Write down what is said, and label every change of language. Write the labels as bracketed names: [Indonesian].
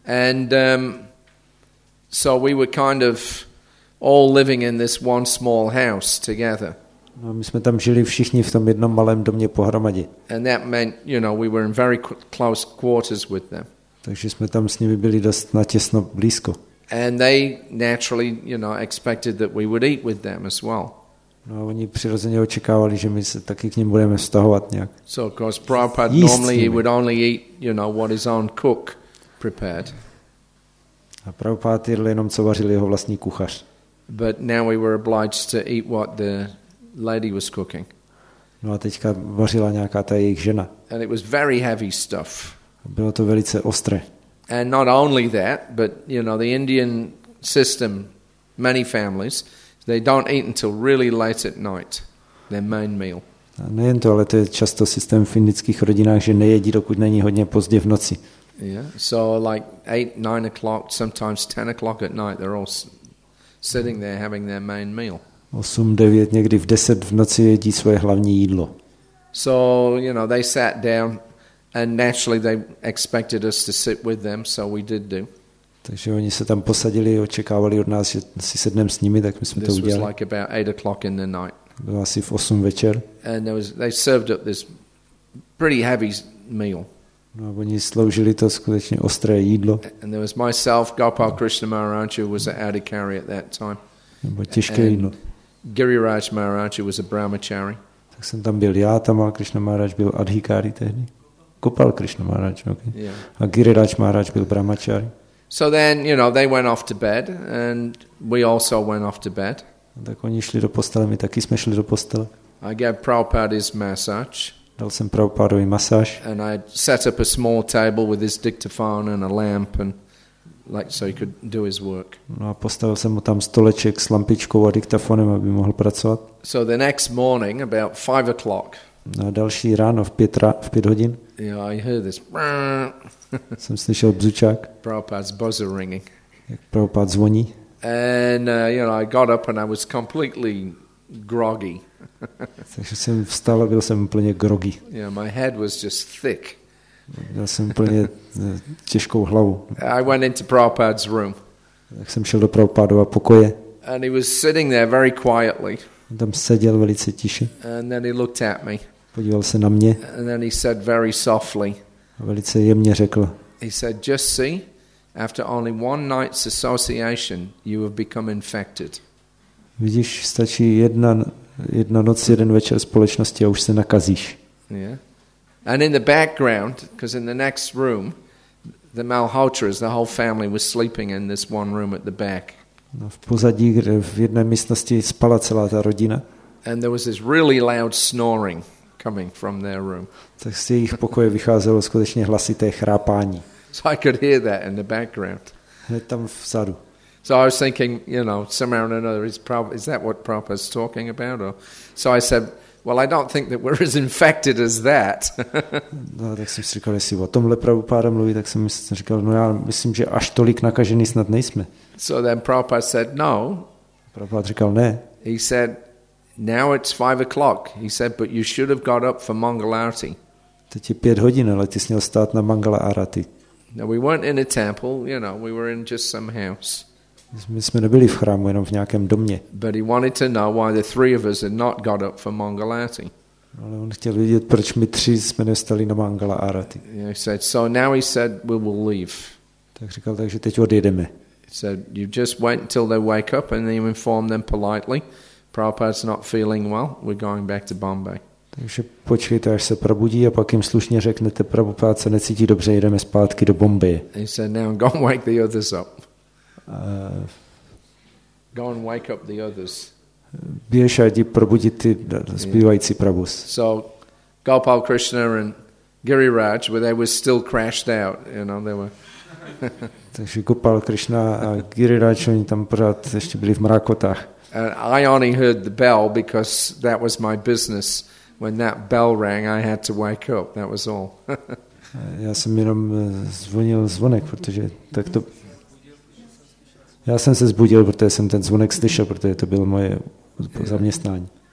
[English] And so we were kind of all living in this one small house together. [Czech] No, my jsme tam žili všichni v tom jednom malém domě pohromadě. [English] And that meant, you know, we were in very close quarters with them. [Czech] Takže jsme tam s nimi byli dost natěsno blízko. [English] And they naturally, you know, expected that we would eat with them as well. [Czech] No, oni přirozeně očekávali, že my se taky k ním budeme vztahovat nějak. [English] So of course Prabhupada normally he would only eat, you know, what his own cook prepared. [Czech] A Prabhupada jedl jenom, co vařil jeho vlastní kuchař. [English] But now we were obliged to eat what the lady was cooking. [Czech] No a teďka vařila nějaká ta jejich žena. [English] And it was very heavy stuff. [Czech] Bylo to velice ostré. [English] And not only that, but you know, the Indian system, many families, they don't eat until really late at night, their main meal. [Czech] A nejen to, ale to je často systém v indických rodinách, že nejedí, dokud není hodně pozdě v noci. [English] Yeah, so like 8, 9 o'clock, sometimes 10 o'clock at night, they're all sitting there having their main meal. [Czech] 8, 9, někdy v 10 v noci jedí svoje hlavní jídlo. [English] So, you know, they sat down and naturally they expected us to sit with them, so we did do. [Czech] Takže oni se tam posadili, očekávali od nás, že si sedneme s nimi, tak my jsme [English] this [Czech] to udělali. [English] This was like about 8 o'clock in the night. [Czech] Bylo asi v 8 večer. [English] And they served up this pretty heavy meal. [Czech] No a oni sloužili to skutečně ostré jídlo. [English] And there was myself, Gopal Krishna Maharaj, who was at Adhikari at that time. [Czech] Nebo těžké jídlo. [English] Giriraj Maharaj was a brahmachari. [Czech] Tak jsem tam byl já, tam a Krishna Maharaj byl adhikári tehdy. [English] Gopal Krishna Maharaj, ok. Yeah. [Czech] A Giriraj Maharaj byl brahmachari. [English] So then, you know, they went off to bed and we also went off to bed. [Czech] Tak oni šli do postele, my taky jsme šli do postele. [English] I gave Prabhupada his massage. [Czech] Dal jsem Prabhupadovi masáž. [English] And I set up a small table with his dictaphone and a lamp and like so he could do his work. [Czech] No a postavil jsem mu tam stoleček s lampičkou a diktafonem, aby mohl pracovat. [English] So the next morning about 5 o'clock. [Czech] No a další ráno v 5 hodin. [English] Yeah, I heard this. [Czech] Jsem slyšel bzučák. [English] Prabhupada's buzzer ringing. [Czech] Jak Prabhupada zvoní. [English] And you know, I got up and I was completely groggy. [Czech] Takže jsem vstal a byl jsem úplně groggy. [English] Yeah, my head was just thick. [Czech] Měl jsem úplně těžkou hlavu. [English] I went into Prabhupada's room. [Czech] Tak jsem šel do Prabhupádova pokoje. [English] And he was sitting there very quietly. [Czech] Tam seděl velice tiše. [English] And then he looked at me. [Czech] Podíval se na mě. [English] And then he said very softly. [Czech] A velice jemně řekl. [English] He said, just see, after only one night's association, you have become infected. [Czech] Vidíš, stačí jedna noc, jeden večer společnosti a už se nakazíš. [English] Yeah. And in the background, because in the next room, the Malhotras, the whole family was sleeping in this one room at the back. [Czech] No, v pozadí, kde v jedné místnosti spala celá ta rodina. [English] And there was this really loud snoring coming from their room. [Czech] Tak z jejich pokoje vycházelo skutečně hlasité chrápání. [English] So I could hear that in the background. [Czech] Hned tam vzadu. [English] So I was thinking, you know, somehow or another, is that what Prabhupada's talking about? Or, so I said, well, I don't think that we're as infected as that. [Czech] No, tak jsem si říkal, jestli o tomhle Prabhupada mluví, tak jsem si říkal, no já myslím, že až tolik nakažený snad nejsme. [English] So then Prabhupada said, no, [Czech] Prabhupád říkal ne. [English] He said, now it's 5 o'clock. He said, but you should have got up for Mangal Arati. [Czech] Teď je 5 hodin, ale ty jsi měl stát na Mangala Arati. [English] Now we weren't in a temple, you know, we were in just some house. [Czech] My jsme nebyli v chrámu, jenom v nějakém domě. [English] But he wanted to know why the three of us had not got up for Mangal Arati. [Czech] Ale on chtěl vědět, proč my tři jsme nestali na Mangala Arati. [English] He said, so now he said, we will leave. [Czech] Tak říkal, takže teď odjedeme. [English] He said, you just wait until they wake up and then you inform them politely. Prabhupada's not feeling well, we're going back to Bombay. [Czech] Takže počkejte, až se probudí a pak jim slušně řeknete, Prabhupada se necítí dobře, jedeme zpátky do Bombay. [English] He said, now go and wake the others up. Go and wake up the others. [Czech] Běž a jdi probudit ty zbývající Prabhus. [English] So Gopal Krishna and Giriraj, where they were still crashed out, you know, they were... [Czech] Takže Gopal Krishna a Giriraj, oni tam pořád ještě byli v mrakotách. [English] And I only heard the bell because that was my business. When that bell rang, I had to wake up. That was all. [Czech] Já jsem jenom zvonil zvonek, protože tak to... Já jsem se zbudil, protože jsem ten zvonek slyšel, protože to bylo moje zaměstnání.